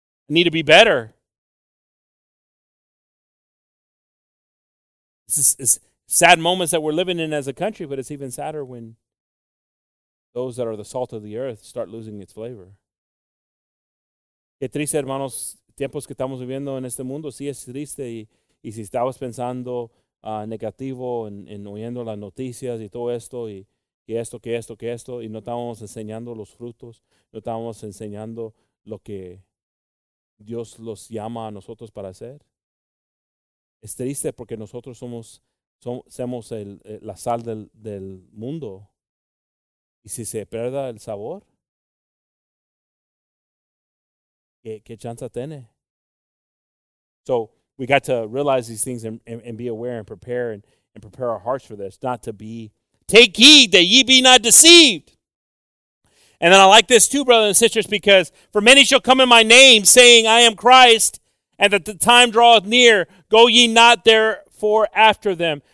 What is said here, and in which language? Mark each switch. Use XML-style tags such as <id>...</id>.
<en>I need to be better. This is sad moments that we're living in as a country, but it's even sadder when those that are the salt of the earth start losing its flavor.</en> <es>Qué triste, hermanos, tiempos que estamos viviendo en este mundo. Sí es triste. Y si estabas pensando negativo en oyendo las noticias y todo esto, y esto, y no estábamos enseñando los frutos, no estábamos enseñando lo que Dios los llama a nosotros para hacer. Es triste porque nosotros somos la sal del mundo. Y si se pierde el sabor, ¿qué chance tiene?</es> <en>So we got to realize these things and be aware and prepare and prepare our hearts for this, not to be, take heed that ye be not deceived. And then I like this too, brothers and sisters, because for many shall come in my name, saying, I am Christ, and that the time draweth near, go ye not therefore after them.</en>